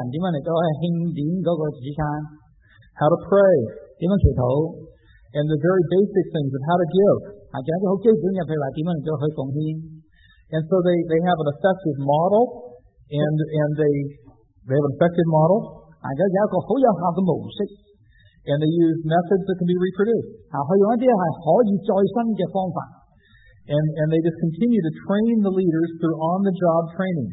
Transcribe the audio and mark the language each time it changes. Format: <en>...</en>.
<zh>教他们怎么来敬敬主，怎么来爱人，怎么来庆典那个主餐。</zh> <en>How to pray.</en> <zh>怎么祈祷。</zh> <en>And the very basic things of how to give.</en> <zh>讲一个很基本的，譬如话怎么来去奉献。</zh> <en>And so they have an effective model, and they have an effective model.</en> <zh>讲一个很有效的模式。</zh> <en>And they use methods that can be reproduced. And they just continue to train the leaders through on-the-job training.</en>